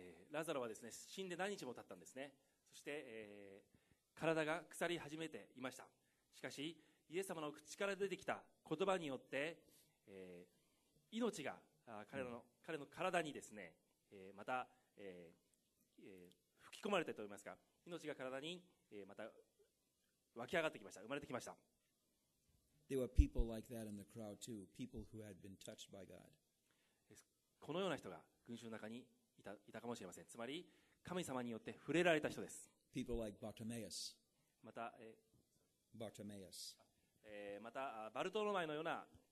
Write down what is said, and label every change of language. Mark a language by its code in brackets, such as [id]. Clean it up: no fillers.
[ja] ラザロはですね、死んで何日も経ったんですね。そして、体が腐り始めていました。しかしイエス様の口から出てきた言葉によって、命が彼の体にですね、また、吹き込まれてと言いますか、命が体に、また湧き上がってきました、生まれてきました。 [en] There were people like that in the crowd too, people who had been touched by God. [ja] このような人が群衆の中にいたかもしれません。つまり神様によって触れられた人です。 [en] People like Bartimaeus. [ja] また、 [en] Bartimaeus. [ja] またバルトロマイのような。